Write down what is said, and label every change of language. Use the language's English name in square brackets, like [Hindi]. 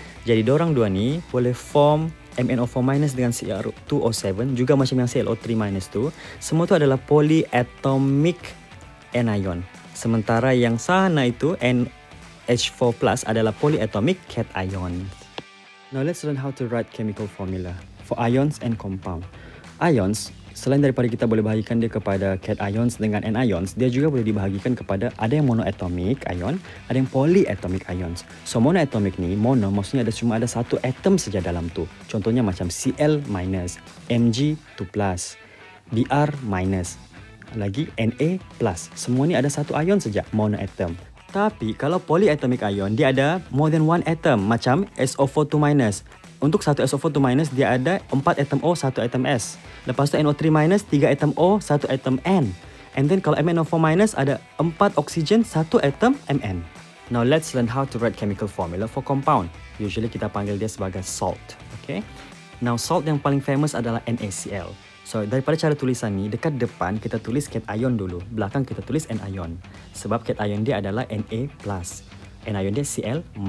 [Malay] Jadi dorang dua ni boleh form MnO4- dengan Cr2O7 juga macam yang ClO3- tu. Semua tu adalah polyatomic anion. Sementara yang sana itu NH4+ adalah polyatomic cation. [English] Now let's learn how to write chemical formula for ions and compound. [Malay] Ions, selain daripada kita boleh bahagikan dia kepada cations dengan anions, dia juga boleh dibahagikan kepada ada yang monoatomic ion, ada yang polyatomic ions. So monoatomic ni, mono maksudnya ada cuma ada satu atom saja dalam tu. Contohnya macam Cl-, Mg2+, Br-, lagi Na+. Semua ni ada satu ion saja, monoatom. Tapi kalau polyatomic ion, dia ada [English] more than one atom, [Malay] macam SO42-. Untuk satu SO42- dia ada 4 atom O, 1 atom S. Lepas tu NO3-, 3 atom O, 1 atom N. And then kalau MnO4- ada 4 oksigen, 1 atom Mn. [English] Now let's learn how to write chemical formula for compound. [Malay] Usually kita panggil dia sebagai salt. Okay? Now salt yang paling famous adalah NaCl. So daripada cara tulisan ni, dekat depan kita tulis cation dulu. Belakang kita tulis anion. Sebab cation dia adalah Na+. Anion dia Cl-.